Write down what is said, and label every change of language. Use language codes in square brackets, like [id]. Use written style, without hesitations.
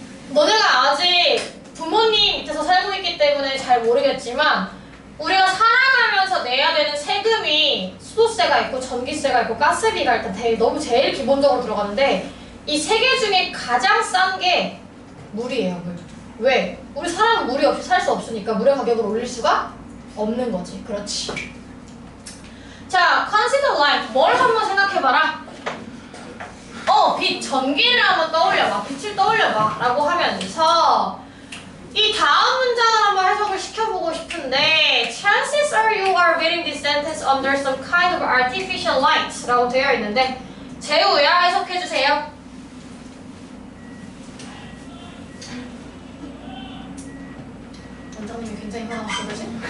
[ko] 너네가 아직 부모님 밑에서 살고 있기 때문에 잘 모르겠지만 우리가 살아가면서 내야 되는 세금이 수도세가 있고 전기세가 있고 가스비가 일단 되게 너무 제일 기본적으로 들어가는데 이 세 개 중에 가장 싼 게 물이에요. 물. 왜? 우리 사람은 물이 없이 살 수 없으니까 물의 가격을 올릴 수가 없는 거지. 그렇지. 자, [en] consider life. [ko] 뭘 한번 생각해봐라. 빛, 전기를 한번 떠올려봐. 빛을 떠올려봐. 라고 하면서 이 다음 문장을 한번 해석을 시켜보고 싶은데 [en] chances are you are reading this sentence under some kind of artificial light. [ko] 라고 되어 있는데 재우야 해석해주세요. 원장님이 굉장히 화나왔어, 그지?